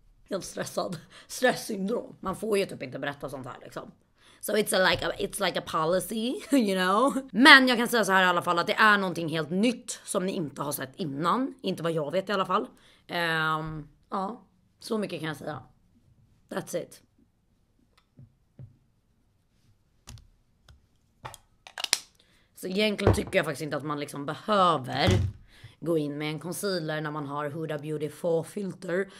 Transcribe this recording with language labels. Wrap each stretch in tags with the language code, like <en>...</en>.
<sv>Helt stressad. Stresssyndrom. Man får ju typ inte berätta sånt här liksom.</sv> <en>So it's like a policy, you know.</en> <sv>Men jag kan säga så här i alla fall att det är någonting helt nytt som ni inte har sett innan. Inte vad jag vet i alla fall. Ja, så mycket kan jag säga.</sv> <en>That's it.</en> <sv>Så egentligen tycker jag faktiskt inte att man liksom behöver gå in med en concealer när man har Huda Beauty Faux Filter.</sv>